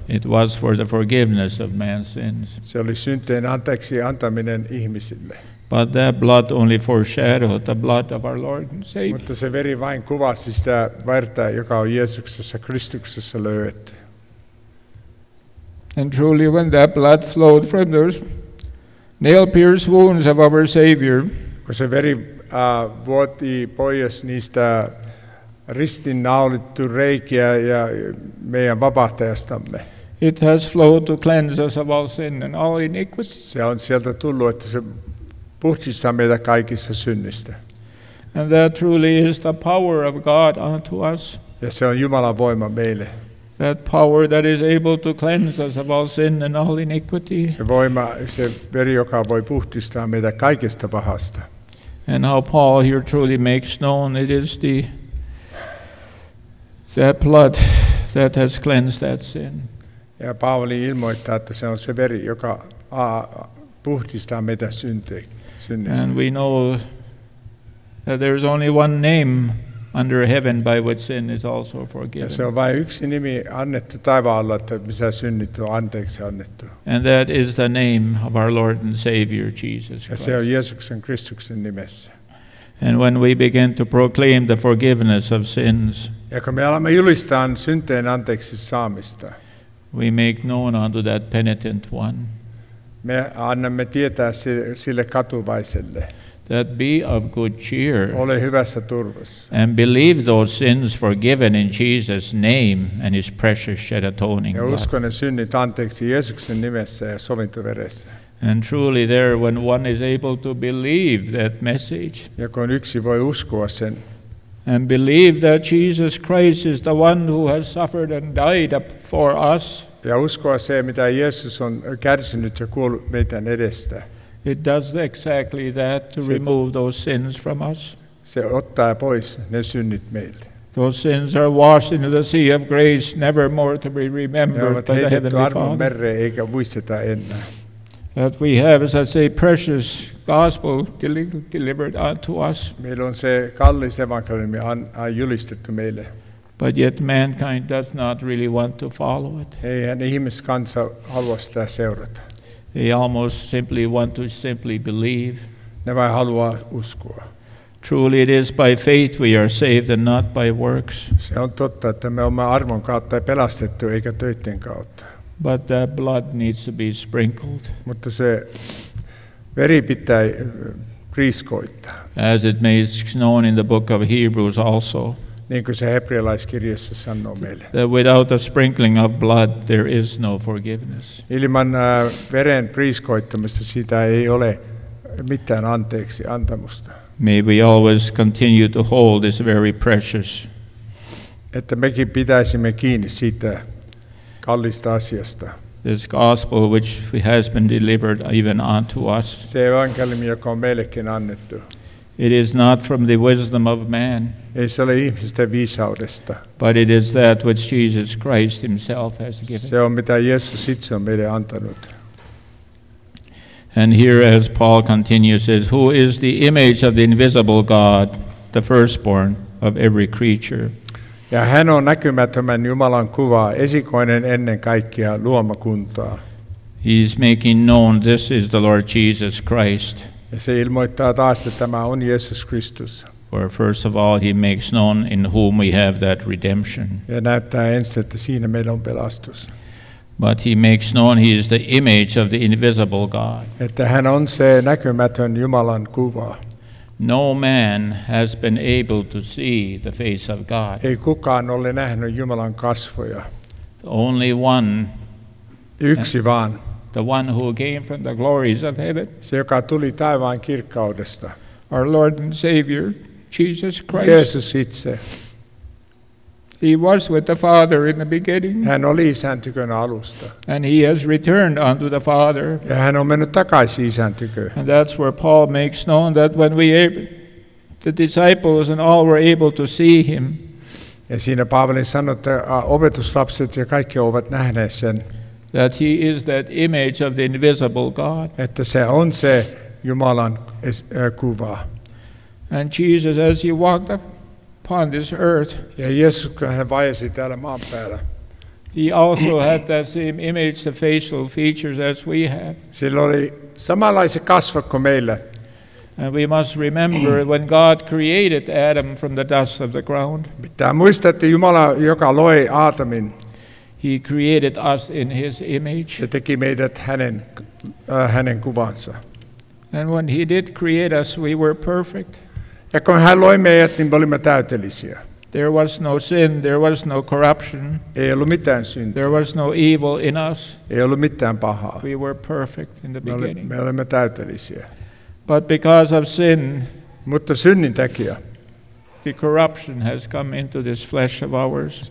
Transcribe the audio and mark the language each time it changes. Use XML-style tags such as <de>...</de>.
<en>It was for the forgiveness of man's sins.</en> <fi>Se oli synteen anteeksi antaminen ihmisille.</fi> <en>But that blood only foreshadowed the blood of our Lord and Savior.</en> <fi>Mutta se veri vain kuvasi sitä verta, joka on Jeesuksessa Kristuksessa löydetty.</fi> <en>And truly when that blood flowed from those nail-pierced wounds of our Savior.</en> <fi>Kun se veri vuoti pois niistä ristin naulittu reikiä ja meidän vapahtajastamme.</fi> <en>It has flowed to cleanse us of all sin and all iniquity.</en> <fi>Se on sieltä tullut, että se puhdistaa meitä kaikista synnistä.</fi> <en>And that truly is the power of God unto us.</en> <fi>Ja se on Jumalan voima meille.</fi> <en>That power that is able to cleanse us of all sin and all iniquity.</en> <fi>Se voima, se veri, joka voi puhdistaa meitä kaikesta pahasta.</fi> <en>And how Paul here truly makes known it is the that blood that has cleansed that sin.</en> <fi>Ja Pauli ilmoittaa, että se on se veri, joka puhdistaa meitä synteen.</fi> <en>And we know that there is only one name under heaven by which sin is also forgiven.</en> <fi>Se on vain yksi nimi annettu taivaalla, että missä synnit on anteeksi annettu.</fi> <en>And that is the name of our Lord and Savior Jesus Christ.</en> <fi>Ja se on Jeesuksen Kristuksen nimessä.</fi> <en>And when we begin to proclaim the forgiveness of sins.</en> <fi>Ja kun me alamme julistaa synteen anteeksi saamista.</fi> <en>We make known unto that penitent one.</en> <fi>Me annamme tietää sille katuvaiselle.</fi> <en>That be of good cheer.</en> <fi>Ole hyvässä turvassa.</fi> <en>And believe those sins forgiven in Jesus' name and his precious shed atoning blood.</en> <fi>Ja uskon ne synnit anteeksi Jeesuksen nimessä ja sovintoveressä.</fi> <en>And truly there when one is able to believe that message.</en> <fi>Ja kun yksi voi uskoa sen.</fi> <en>And believe that Jesus Christ is the one who has suffered and died for us.</en> <fi>Ja uskoa se, mitä Jeesus on kärsinyt ja kuollut meidän edestä.</fi> <en>It does exactly that to remove those sins from us.</en> <fi>Se ottaa pois ne synnit meiltä.</fi> <en>Those sins are washed into the sea of grace, never more to be remembered by the Heavenly Father.</en> <fi>Ne ovat heitetty armon mereen, eikä muisteta enää.</fi> <en>That we have, as I say, precious gospel delivered unto us.</en> <fi>Meillä on se kallis evankeliumi julistettu meille.</fi> <en>But yet mankind does not really want to follow it.</en> <fi>Ei, hän ihmiskansa halua sitä seurata.</fi> <en>They almost simply want to simply believe.</en> <fi>Ne vain haluaa uskoa.</fi> <en>Truly it is by faith we are saved and not by works.</en> <fi>Se on totta, että me olemme armon kautta pelastettu eikä töitten kautta.</fi> <en>But that blood needs to be sprinkled.</en> <fi>Mutta se veri pitää priiskoittaa.</fi> <en>As it may be known in the book of Hebrews also.</en> <fi>Niin kuin se hebrealaiskirjassa sanoo meille.</fi> <en>That without a sprinkling of blood there is no forgiveness.</en> <fi>Ilman veren priiskoittamista sitä ei ole mitään anteeksi antamusta.</fi> <en>May we always continue to hold this very precious.</en> <fi>Että mekin pitäisimme kiinni siitä kallista asiasta.</fi> <en>This gospel which has been delivered even unto us.</en> <fi>Se evankeliumi, joka on meillekin annettu.</fi> <en>It is not from the wisdom of man.</en> <fi>Ei se ole ihmisten viisaudesta.</fi> <en>But it is that which Jesus Christ himself has given.</en> <fi>Se on mitä Jeesus itse on meille antanut.</fi> <en>And here as Paul continues says, who is the image of the invisible God, the firstborn of every creature.</en> <fi>Ja hän on näkymättömän Jumalan kuva, esikoinen ennen kaikkea luomakuntaa.</fi> <en>He is making known this is the Lord Jesus Christ.</en> <fi>Ja se ilmoittaa taas, että tämä on Jeesus Kristus.</fi> <en>For first of all, he makes known in whom we have that redemption.</en> <fi>Ja näyttää ensin, että siinä meillä on pelastus.</fi> <en>But he makes known he is the image of the invisible God.</en> <fi>Että hän on se näkymätön Jumalan kuva.</fi> <en>No man has been able to see the face of God.</en> <fi>Ei kukaan ole nähnyt Jumalan kasvoja.</fi> <en>Only one.</en> <fi>Yksi vaan.</fi> <en>The one who came from the glories of heaven.</en> <fi>Se, joka tuli taivaan kirkkaudesta.</fi> <en>Our Lord and Savior, Jesus Christ.</en> <fi>Jeesus itse.</fi> <en>He was with the Father in the beginning.</en> <fi>Hän oli isän tykönä alusta.</fi> <en>And he has returned unto the Father.</en> <fi>Ja hän on mennyt takaisin isän tyköön.</fi> <en>And that's where Paul makes known that when the disciples and all were able to see him.</en> <fi>Ja siinä Paavalin sanoi, että opetuslapset ja kaikki ovat nähneet sen.</fi> <en>That he is that image of the invisible God.</en> <fi>Että se on se Jumalan kuva.</fi> <en>And Jesus, as he walked upon this earth,</en> <fi>ja Jeesus, kun hän vaiesi täällä maan päällä,</fi> <en>he also had that same image, the facial features as we have.</en> <fi>Sillä oli samanlaiset kasvot kuin meillä.</fi> <en>And we must remember when God created Adam from the dust of the ground.</en> <fi>Pitää muistaa, että Jumala, joka loi Aatamin,</fi> <en>he created us in his image.</en> <fi>Se teki meidät hänen kuvansa.</fi> <en>And when he did create us, we were perfect.</en> <fi>Ja kun hän loi meidät, niin me olimme täydellisiä.</fi> <en>There was no sin, there was no corruption.</en> <fi>Ei ollut mitään syntiä.</fi> <en>There was no evil in us.</en> <fi>Ei ollut mitään pahaa.</fi> <en>We were perfect in the beginning.</en> <fi>Me olimme täydellisiä.</fi> <en>But because of sin,</en> <fi>mutta synnin takia,</fi> <en>the corruption has come into this flesh of ours.</en>